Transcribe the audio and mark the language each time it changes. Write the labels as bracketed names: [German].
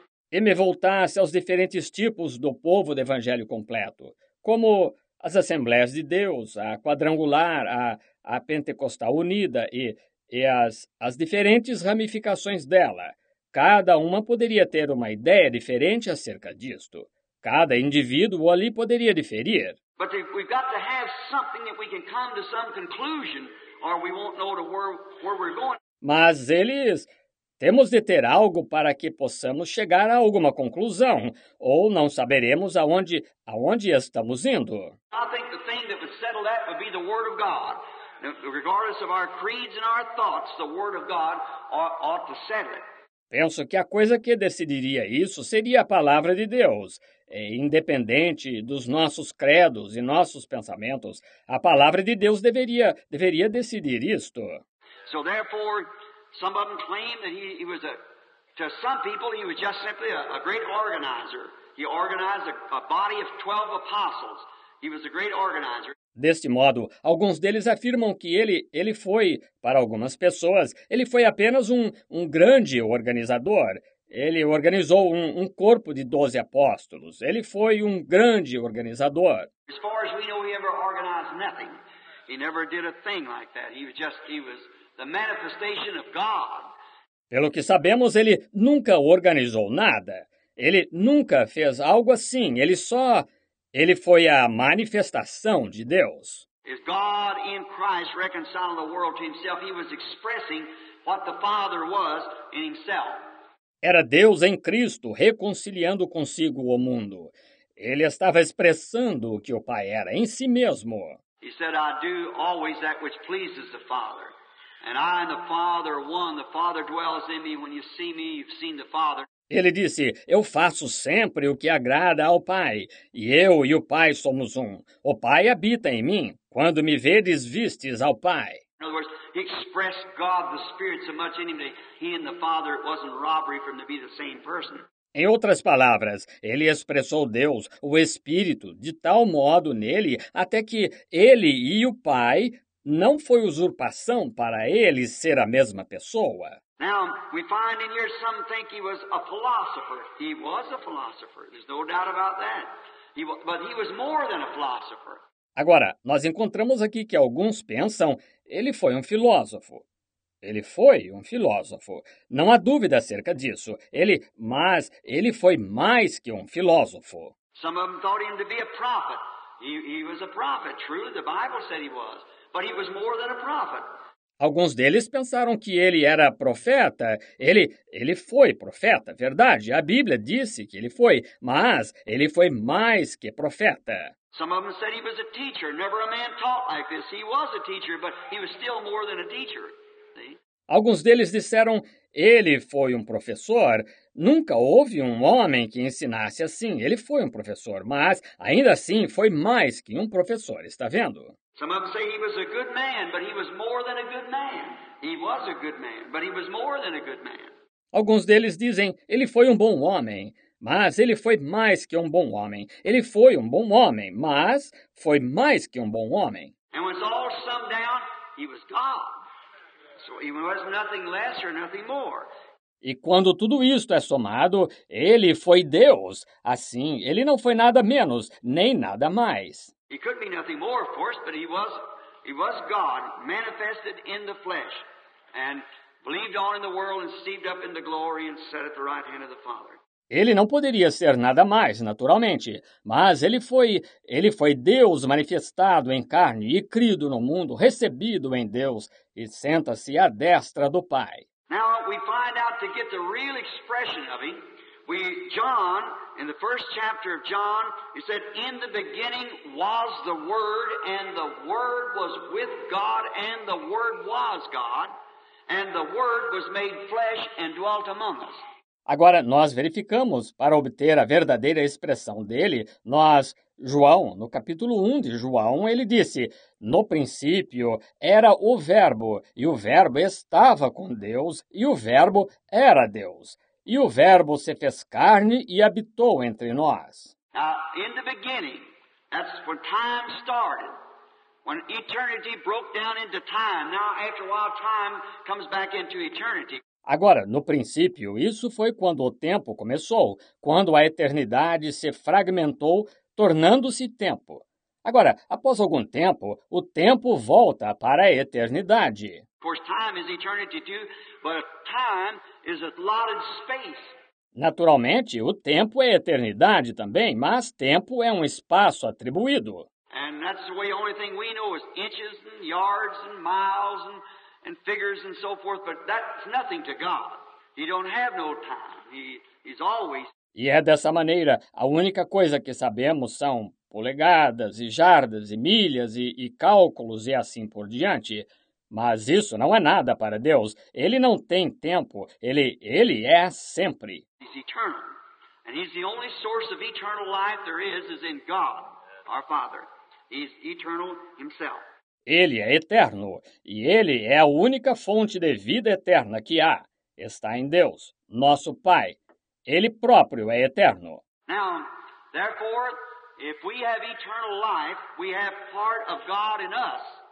[Portuguese] E me voltasse aos diferentes tipos do povo do Evangelho completo, como as Assembleias de Deus, a Quadrangular, a Pentecostal Unida e as diferentes ramificações dela. Cada uma poderia ter uma ideia diferente acerca disto. Cada indivíduo ali poderia diferir. [English] But we've got to have something that we can come to some conclusion, or we won't know where we're going. [Portuguese] Mas eles... Temos de ter algo para que possamos chegar a alguma conclusão, ou não saberemos aonde estamos indo. [English] I think the thing that would settle that would be the Word of God. Regardless of our creeds and our thoughts, the Word of God ought to settle it. [Portuguese] Penso que a coisa que decidiria isso seria a palavra de Deus. E, independente dos nossos credos e nossos pensamentos, a palavra de Deus deveria decidir isto. [English] So, therefore, some of them claim that he was to some people, he was just simply a great organizer. He organized a body of 12 apostles. He was a great organizer. [Portuguese] Deste modo, alguns deles afirmam que ele foi, para algumas pessoas, ele foi apenas um grande organizador. Ele organizou um corpo de 12 apóstolos. Ele foi um grande organizador. [English] As far as we know, he ever organized nothing. He never did a thing like that. He was the manifestation of God. [Portuguese] Pelo que sabemos, ele nunca organizou nada. Ele nunca fez algo assim. Ele foi a manifestação de Deus. [English] If God in Christ reconciled the world to himself, he was expressing what the Father was in himself. [Portuguese] Era Deus em Cristo reconciliando consigo o mundo. Ele estava expressando o que o Pai era em si mesmo. [English] He said, I do always that which pleases the Father. And I and the Father are one. The Father dwells in me. When you see me, you've seen the Father. [Portuguese] Ele disse, eu faço sempre o que agrada ao Pai. E eu e o Pai somos um. O Pai habita em mim. Quando me vedes, vistes ao Pai. [English] In other words, he expressed God the Spirit so much in him that he and the Father, it wasn't robbery for him to be the same person. [Portuguese] Em outras palavras, ele expressou Deus, o Espírito, de tal modo nele, até que ele e o Pai... Não foi usurpação para ele ser a mesma pessoa. [English] Now, we find in here some think he was a philosopher. He was a philosopher. There's no doubt about that. But he was more than a philosopher. [Portuguese] Agora, nós encontramos aqui que alguns pensam, ele foi um filósofo. Ele foi um filósofo. Não há dúvida acerca disso. Ele foi mais que um filósofo. [English] Some of them thought him to be a prophet. He was a prophet. True, the Bible said he was. But he was more than a prophet. [Portuguese] Alguns deles pensaram que ele era profeta. Ele foi profeta, verdade. A Bíblia disse que ele foi, mas ele foi mais que profeta. [English] Some of them said he was a teacher. Never a man taught like this. He was a teacher, but he was still more than a teacher. [Portuguese] Alguns deles disseram, ele foi um professor. Nunca houve um homem que ensinasse assim. Ele foi um professor, mas ainda assim foi mais que um professor. Está vendo? [English] Some of them say he was a good man, but he was more than a good man. He was a good man, but he was more than a good man. [Portuguese] Alguns deles dizem, ele foi um bom homem, mas ele foi mais que um bom homem. Ele foi um bom homem, mas foi mais que um bom homem. [English] And when it's all summed down, he was God. So he was nothing less or nothing more. [Portuguese] E quando tudo isto é somado, ele foi Deus. Assim, ele não foi nada menos, nem nada mais. [English] He could be nothing more, of course, but he was God, manifested in the flesh, and believed on in the world, and received up in the glory, and sat at the right hand of the Father. [Portuguese] Ele não poderia ser nada mais, naturalmente, mas ele foi Deus manifestado em carne e crido no mundo, recebido em Deus, e senta-se à destra do Pai. [English] Now we find out to get the real expression of him. John, in the first chapter of John, he said, in the beginning was the Word, and the Word was with God, and the Word was God, and the Word was made flesh and dwelt among us. [Portuguese] Agora, nós verificamos, para obter a verdadeira expressão dele, João, no capítulo 1 de João, ele disse, no princípio era o Verbo, e o Verbo estava com Deus, e o Verbo era Deus. E o Verbo se fez carne e habitou entre nós. [English] Now, in the beginning, that's when time started, when eternity broke down into time. Now, after a while, time comes back into eternity. [Portuguese] Agora, no princípio, isso foi quando o tempo começou, quando a eternidade se fragmentou, tornando-se tempo. Agora, após algum tempo, o tempo volta para a eternidade. [English] Of course, time is eternity too, but time is allotted space. [Portuguese] Naturalmente, o tempo é eternidade também, mas tempo é um espaço atribuído. [English] And that's the only thing we know is inches and yards and miles and figures and so forth, but that's nothing to God. He don't have no time. He's always. [Portuguese] E é dessa maneira, a única coisa que sabemos são polegadas e jardas e milhas e cálculos e assim por diante. Mas isso não é nada para Deus. Ele não tem tempo. Ele é sempre. [English] He's eternal. And he's the only source of eternal life there is in God, our Father. He's eternal himself. [Portuguese] Ele é eterno, e ele é a única fonte de vida eterna que há. Está em Deus, nosso Pai. Ele próprio é eterno. [English] Now, therefore, if we have eternal life, we have part of God in us.